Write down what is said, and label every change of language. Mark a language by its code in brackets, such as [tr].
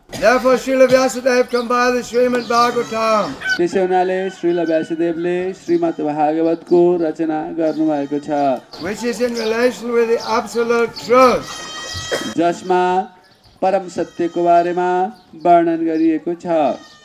[en] Therefore Srila Vyasadeva come by the Srimad Bhagavatam. [ne] त्यसै हुनाले श्रील व्यासदेवले श्रीमद् भागवतको रचना गर्नुभएको छ. [en] Which is in relation with the absolute truth. [ne] जसमा परम सत्यको बारेमा वर्णन गरिएको छ.